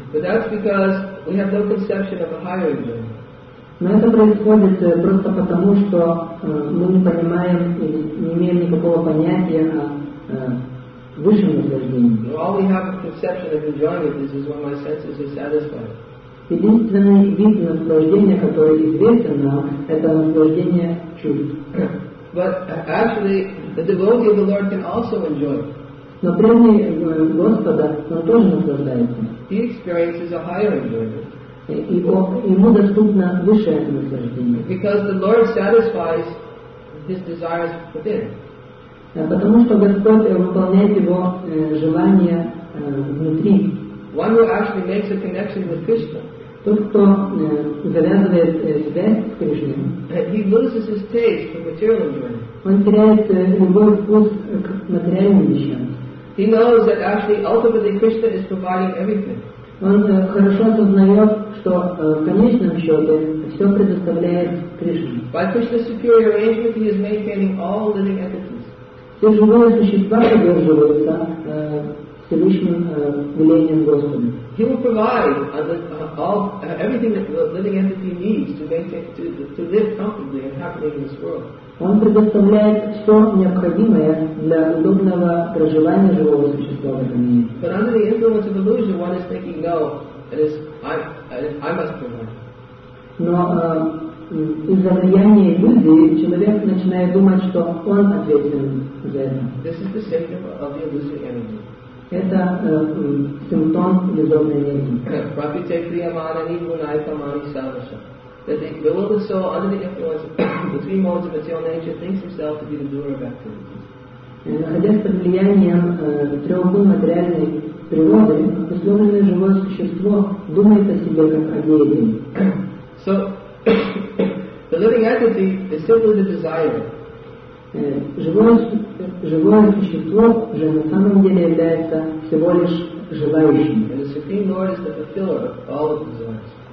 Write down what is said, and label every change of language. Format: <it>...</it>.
<en>But that's because we have no conception of a higher enjoyment.</en> <ru>Но это происходит просто потому, что мы не понимаем и не имеем никакого понятия о высшем наслаждении.</ru> <en>So all we have a conception of enjoyment is when my senses are satisfied.</en> <ru>Единственный вид наслаждения, который известен нам, это наслаждение чувств.</ru> <en>But actually, the devotee of the Lord can also enjoy.</en> <ru>Но преданный Господа, он тоже наслаждается.</ru> <en>He experiences a higher enjoyment.</en> <ru>Ему доступно высшее наслаждение.</ru> <en>Because the Lord satisfies his desires within.</en> <ru>Потому что Господь выполняет его желания внутри.</ru> <en>One who actually makes a connection with Krishna.</en> <ru>Тот, кто завязывает связь с Кришной,</ru> <en>he loses his taste for material enjoyment.</en> <ru>Он теряет любой вкус к материальным вещам.</ru> <en>He knows that actually ultimately Krishna is providing everything.</en> <ru>Он хорошо осознает, что в конечном счете все предоставляет Кришне.</ru> <en>By Krishna's superior arrangement, he is maintaining all living entities.</en> <ru>Все живые существа поддерживаются Всевышним велением Господа.</ru> <en>He will provide everything that the living entity needs to maintain to live comfortably and happily in this world.</en> <ru>Он предоставляет все необходимое для удобного проживания живого существа в этом мире.</ru> <en>But under the influence of illusion, one is thinking, no, it is I must provide.</en> <ru>Но из-за влияния иллюзии человек начинает думать, что он ответственен за это.</ru> <en>This is the symptom of the illusory energy.</en> <ru>Это симптом иллюзорной энергии. Прапитекриямана нивунайфамани савиша.</ru> <en>That the will of the soul under the influence of the three modes of material nature thinks itself to be the doer of activities.</en> <ru>Находясь под влиянием трех гун материальной природы, условленное живое существо думает о себе как о деятеле.</ru> <en>So, the living entity is simply the desire.</en> <ru>Живое существо же на самом деле является всего лишь желающим.</ru> <en>And the Supreme Lord is the fulfiller of all of the desires.</en>